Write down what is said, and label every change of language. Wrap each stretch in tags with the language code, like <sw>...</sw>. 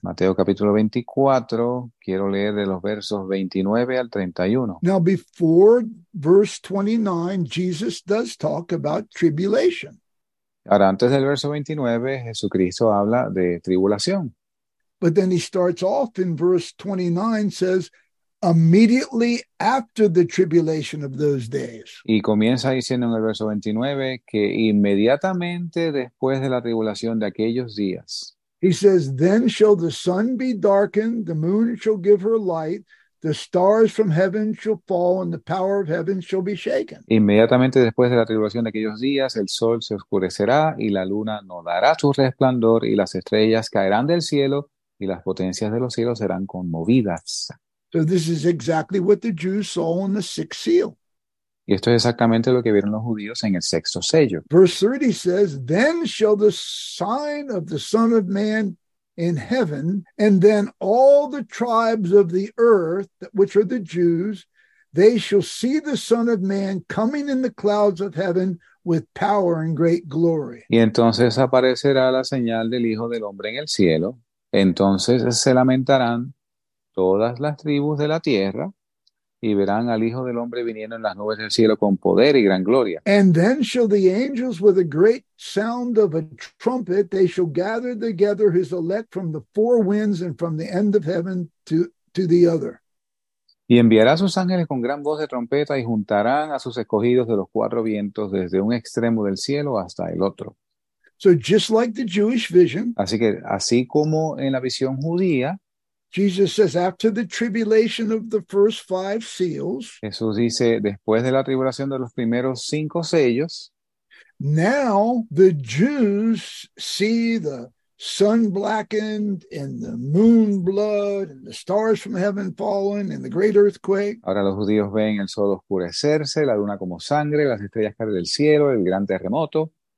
<es>Mateo capítulo 24, quiero leer de los versos 29 al 31.</es> <en>Now before verse 29, Jesus does talk about tribulation.</en> <es>Ahora antes del verso 29, Jesucristo habla de tribulación.</es> <en>But then he starts off in verse 29, says, immediately after the tribulation of those days.</en> <es>Y comienza diciendo en el verso 29 que inmediatamente después de la tribulación de aquellos días.</es> <en>He says, then shall the sun be darkened, the moon shall give her light, the stars from heaven shall fall, and the power of heaven shall be shaken.</en> <es>Inmediatamente después de la tribulación de aquellos días, el sol se oscurecerá y la luna no dará su resplandor y las estrellas caerán del cielo. Y las potencias de los cielos serán conmovidas.</es> <en>So this is exactly what the Jews saw in the sixth seal.</en> <es>Y esto es exactamente lo que vieron los judíos en el sexto sello.</es> <en>Verse 30 says, then shall the sign of the Son of Man in heaven, and then all the tribes of the earth, which are the Jews, they shall see the Son of Man coming in the clouds of heaven with power and great glory.</en> <es>Y entonces aparecerá la señal del Hijo del Hombre en el cielo. Entonces se lamentarán todas las tribus de la tierra y verán al Hijo del Hombre viniendo en las nubes del cielo con poder y gran gloria.</es> <en>And then shall the angels with a great sound of a trumpet, they shall gather together his elect from the four winds and from the end of heaven to the other.</en> <es>Y enviará a sus ángeles con gran voz de trompeta y juntarán a sus escogidos de los cuatro vientos desde un extremo del cielo hasta el otro.</es> <en>So just like the Jewish vision,</en> <es>así que, así como en la visión judía,</es> <en>Jesus says after the tribulation of the first five seals,</en> <es>Jesús dice después de la tribulación de los primeros cinco sellos,</es> <en>now the Jews see the sun blackened and the moon blood and the stars from heaven falling and the great earthquake.</en> <es>Ahora los judíos ven el sol oscurecerse, la luna como sangre, las estrellas caer del cielo, el gran terremoto.</es>